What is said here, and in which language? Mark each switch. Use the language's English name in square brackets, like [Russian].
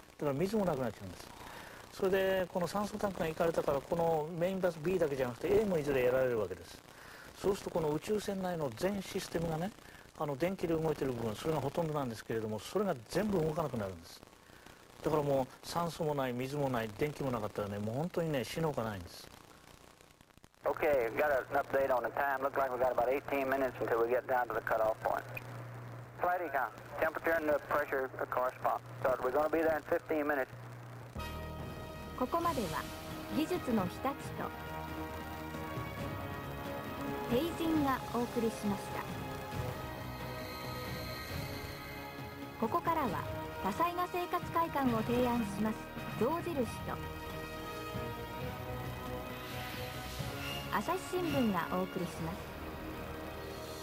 [Japanese] だから水もなくなっちゃうんです。それでこの酸素タンクがいかれたから、このメインバス B だけじゃなくて A もいずれやられるわけです。そうするとこの宇宙船内の全システムがね、電気で動いている部分、それがほとんどなんですけれども、それが全部動かなくなるんです。だからもう酸素もない、水もない、電気もなかったらね、もう本当にね、死のほかないんです。 [English] OK, we've got an update on the time. Looks like we've got about 18 minutes until we get down to the cutoff point. Flight Econ, temperature and pressure correspond. So we're going to be there in 15 minutes. [Japanese] ここまでは技術の日立とテイジンがお送りしました。ここからは多彩な生活快感を提案します。象印と朝日新聞がお送りします。